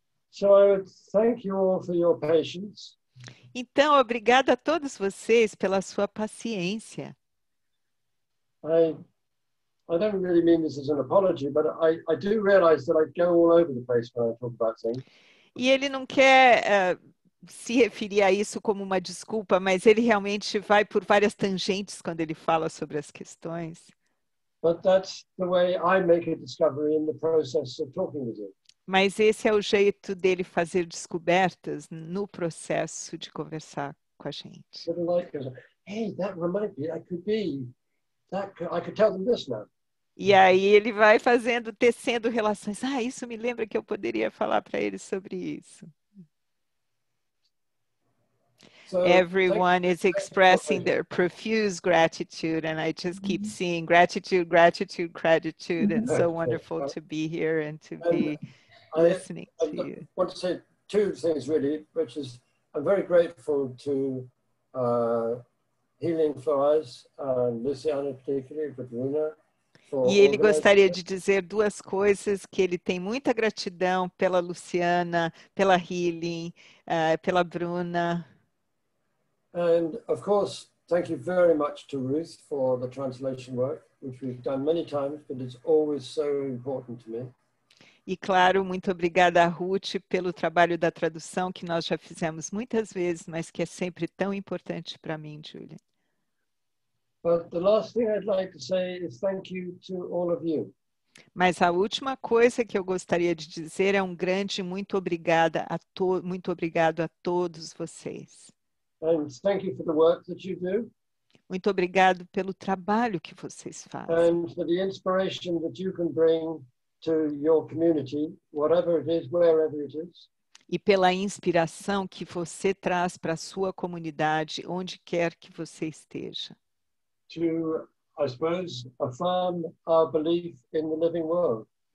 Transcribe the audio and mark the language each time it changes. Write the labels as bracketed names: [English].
[English] So I would thank you all for your patience. [Portuguese] Então, obrigada a todos vocês pela sua paciência. [English] I don't really mean this as an apology, but I do realize that I go all over the place when I talk about things. [Portuguese] E ele não quer se referir a isso como uma desculpa, mas ele realmente vai por várias tangentes quando ele fala sobre as questões. [English] But that's the way I make a discovery in the process of talking with you. [Portuguese] Mas esse é o jeito dele fazer descobertas no processo de conversar com a gente. [English] Hey, that reminds me, that could be. That could, I could tell them this now. [Portuguese] E aí ele vai fazendo, tecendo relações. Ah, isso me lembra que eu poderia falar para ele sobre isso. [English] So, everyone is expressing their profuse gratitude, and I just keep seeing gratitude, gratitude, gratitude, and so wonderful to be here and to be. I want to say two things, really, which is I'm very grateful to Healing Florais and Luciana, particularly, but Luna. [Portuguese] E ele gostaria de dizer duas coisas, que ele tem muita gratidão pela Luciana, pela Healing, pela Bruna. [English] And, of course, thank you very much to Ruth for the translation work, which we've done many times, but it's always so important to me. [Portuguese] E, claro, muito obrigada a Ruth pelo trabalho da tradução que nós já fizemos muitas vezes, mas que é sempre tão importante para mim, Julia. [English] But the last thing I'd like to say is thank you to all of you. [Portuguese] Mas a última coisa que eu gostaria de dizer é um grande muito obrigada a muito obrigado a todos vocês. And thank you for the work that you do. Muito obrigado pelo trabalho que vocês fazem. And for the inspiration that you can bring to your community, whatever it is, wherever it is. e pela inspiração que você traz para a sua comunidade, onde quer que você esteja. [English] To, I suppose, affirm our belief in the living world.